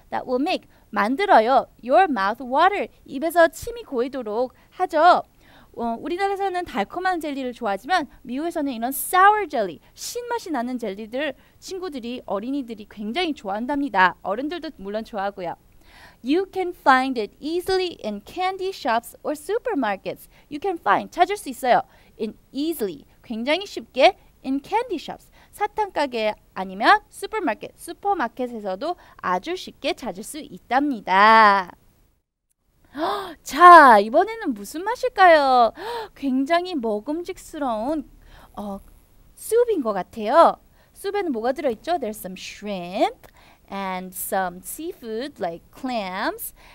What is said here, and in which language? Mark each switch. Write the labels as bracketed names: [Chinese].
[English] That will make [Korean] 만들어요. [English] Your mouth water. [Korean] 입에서 침이 고이도록 하죠. 우리나라에서는 달콤한 젤리를 좋아하지만 미국에서는 이런 sour jelly, 신맛이 나는 젤리들 친구들이, 어린이들이 굉장히 좋아한답니다. 어른들도 물론 좋아하고요. [English] You can find it easily in candy shops or supermarkets. You can find, [Korean] 찾을 수 있어요. [English] In easily, [Korean] 굉장히 쉽게 [English] in candy shops, [Korean] 사탕 가게 아니면 supermarket, 슈퍼마켓에서도 아주 쉽게 찾을 수 있답니다. 자, 이번에는 무슨 맛일까요? 굉장히 먹음직스러운 수프인 것 같아요. 수프에는 뭐가 들어있죠? [English] There's some shrimp and some seafood like clams.